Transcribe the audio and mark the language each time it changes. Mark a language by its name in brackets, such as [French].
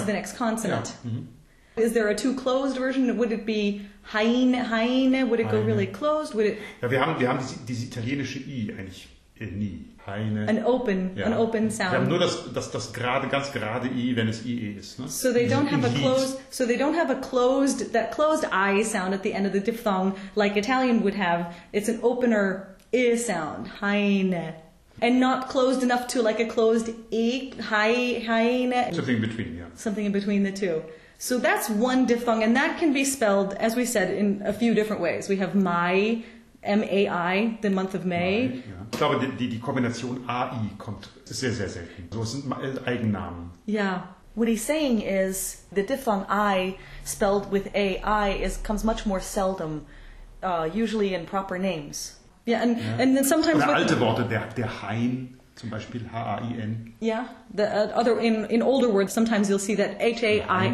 [English] to the next consonant. Yeah. Mm-hmm. Is there a too closed version? Would it be heine? Would it go really closed? Would it? [German] Ja, wir haben dieses italienische I eigentlich nie. Heine. [English] An open sound. [German] Wir haben nur das gerade, ganz gerade I, wenn es IE ist. Ne? [English] So they don't have a closed. So they don't have a closed, that closed I sound at the end of the diphthong like Italian would have. It's an opener I sound. Heine. And not closed enough to like a closed I. Heine. Something in between, yeah. Something in between the two. So that's one diphthong, and that can be spelled, as we said, in a few different ways. We have Mai, M-A-I, the month of May. [German] Mai, ja. Ich glaube, die Kombination A-I kommt sehr, sehr selten. So sind Eigennamen. [English] Yeah. What he's saying is the diphthong I spelled with A-I comes much more seldom, usually in proper names. Yeah, and then sometimes... [German] Oder alte Worte, der Hain... Zum Beispiel H-A-I-N. [English] Yeah, the other in older words, sometimes you'll see that H-A-I-N.